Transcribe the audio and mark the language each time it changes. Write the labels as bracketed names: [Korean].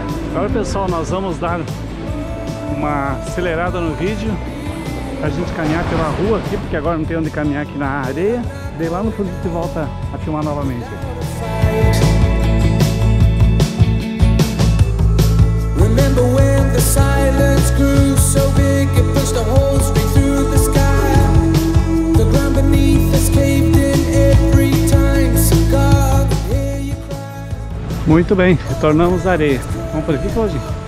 [Portuguese] Agora, pessoal, nós vamos dar uma acelerada no vídeo. A gente caminhar pela rua aqui, porque agora não tem onde caminhar aqui na areia. Dei lá no fundo de volta a filmar novamente. [English] Remember when the silence grew so big it pushed a hole straight through the sky? The ground beneath us caved in every time. So God, hear you cry. [Portuguese] Muito bem, retornamos à areia. Vamos por aqui hoje?